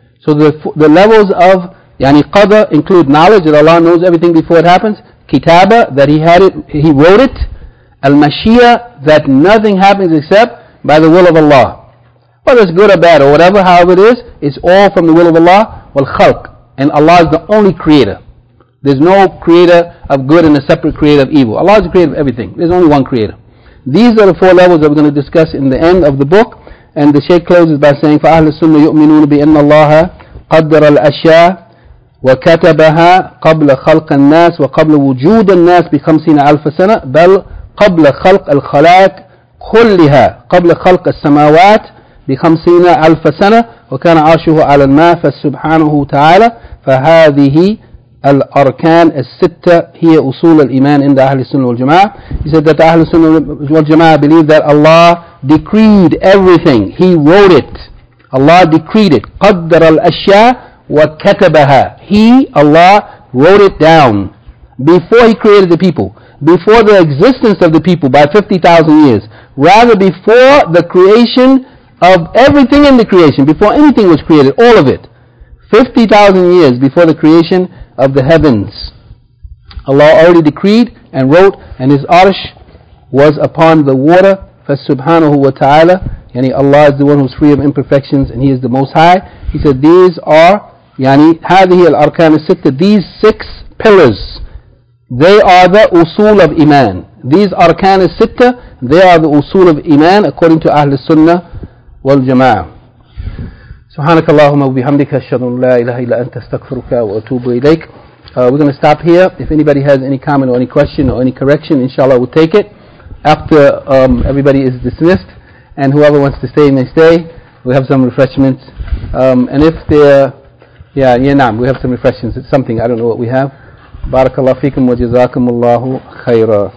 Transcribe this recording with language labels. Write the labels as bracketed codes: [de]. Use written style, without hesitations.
[en] So the levels of yani qadr include knowledge that Allah knows everything before it happens, kitaba that He had it, He wrote it, al-mashiyah that nothing happens except by the will of Allah. Whether it's good or bad or whatever, however it is, it's all from the will of Allah. Wal-khalq, and Allah is the only creator. There's no creator of good and a separate creator of evil. Allah is the creator of everything. There's only one creator. These are the four levels that we're going to discuss in the end of the book. And the Shaykh closes by saying, [ar] فَأَهْلِ السُّنَّةِ يُؤْمِنُونَ بِأَنَّ اللَّهَ قَدَّرَ الْأَشْيَاءَ وكتبها قبل خلق الناس وقبل وجود الناس بخمسين ألف سنة بل قبل خلق الخلائق كلها قبل خلق السماوات بخمسين ألف سنة وكان عرشه على الماء فسبحانه تعالى فهذه الأركان الستة هي أصول الإيمان عند أهل السنة والجماعة. [en] He said that أهل السنة والجماعة believe that Allah decreed everything. He wrote it. Allah decreed it. [ar] قدر الأشياء وَكَتَبَهَا. [en] He, Allah, wrote it down before He created the people, before the existence of the people by 50,000 years, rather before the creation of everything in the creation, before anything was created, all of it, 50,000 years before the creation of the heavens, Allah already decreed and wrote, and His arsh was upon the water. [ar] فَالسُّبْحَانَهُ وَتَعَالَى, [en] yani Allah is the one who is free of imperfections and He is the Most High. He said these are, yani [ar] هَذِهِ الْأَرْكَانِ السِّتَّةِ, [en] these six pillars, they are the usul of iman. These arkan sitta, they are the usul of iman according to Ahl Sunnah wal Jama'ah. [ar] سبحانك اللهم وبحمدك أشهد أن لا إله إلا أنت استغفرك وأتوب إليك. [en] We're going to stop here. If anybody has any comment or any question or any correction, inshallah we'll take it after everybody is dismissed, and whoever wants to stay may stay. We have some refreshments, and if there, نعم, we have some refreshments. It's something, I don't know what we have. [ar] بارك الله فيكم وجزاكم الله خيرا.